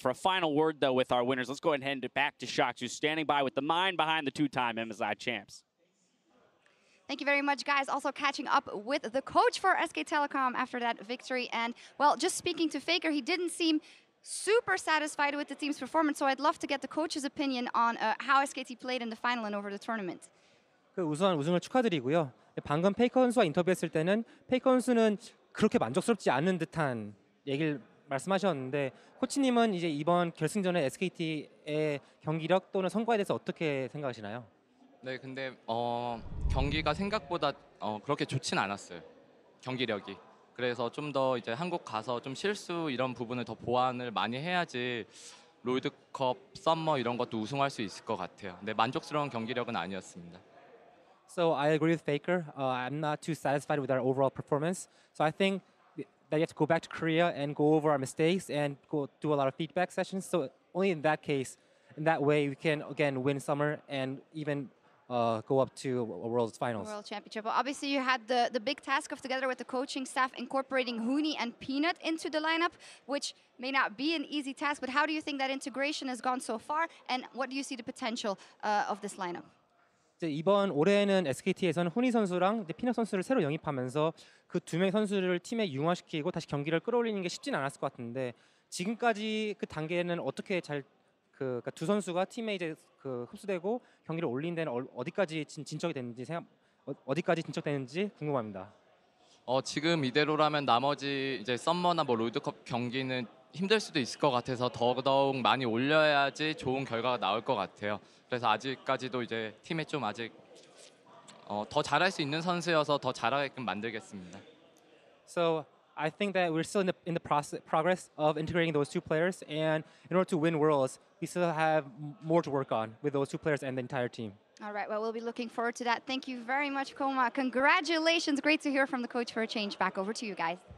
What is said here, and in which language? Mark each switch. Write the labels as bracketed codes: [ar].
[en] For a final word, though, with our winners, let's go ahead and head back to Shox, who's standing by with the mind behind the two-time MSI champs. Thank you very much, guys. Also catching up with the coach for SK Telecom after that victory. And, well, just speaking to Faker, he didn't seem super satisfied with the team's performance, so I'd love to get the coach's opinion on how SKT played in the final and over the tournament. [ko] 우선 우승을 축하드리고요. 방금 페이커 선수와 인터뷰했을 때는 페이커 선수는 그렇게 만족스럽지 않은 듯한 얘기를 말씀하셨는데 코치님은 이제 이번 결승전의 SKT의 경기력 또는 성과에 대해서 어떻게 생각하시나요? 네, 근데 경기가 생각보다 그렇게 좋진 않았어요. 경기력이. 그래서 좀 더 이제 한국 가서 좀 실수 이런 부분을 더 보완을 많이 해야지 롤드컵, 썸머 이런 것도 우승할 수 있을 것 같아요. 근데 만족스러운 경기력은 아니었습니다. [en] So I agree with Faker. I'm not too satisfied with our overall performance. So I think that you have to go back to Korea and go over our mistakes and go do a lot of feedback sessions. So only in that case, in that way, we can again win summer and even go up to a world finals. World championship. Well, obviously, you had the big task of, together with the coaching staff, incorporating Huni and Peanut into the lineup, which may not be an easy task, but how do you think that integration has gone so far, and what do you see the potential of this lineup? [ko] 이번 올해는 SKT에서는 후니 선수랑 피넛 선수를 새로 영입하면서 그 두 명의 선수를 팀에 융화시키고 다시 경기를 끌어올리는 게 쉽진 않았을 것 같은데 지금까지 그 단계는 어떻게 잘 그러니까 두 선수가 팀에 이제 그 흡수되고 경기를 올린 데는 어디까지 진척되는지 궁금합니다. 지금 이대로라면 나머지 이제 썸머나 뭐 롤드컵 경기는 힘들 수도 있을 것 같아서 더더욱 많이 올려야지 좋은 결과가 나올 것 같아요. 그래서 아직까지도 이제 팀에 좀 아직 더 잘할 수 있는 선수여서 더 잘하게끔 만들겠습니다. [en] So I think that we're still in the progress of integrating those two players, and in order to win Worlds, we still have more to work on with those two players and the entire team. All right, well, we'll be looking forward to that. Thank you very much, Koma. Congratulations. Great to hear from the coach for a change. Back over to you guys.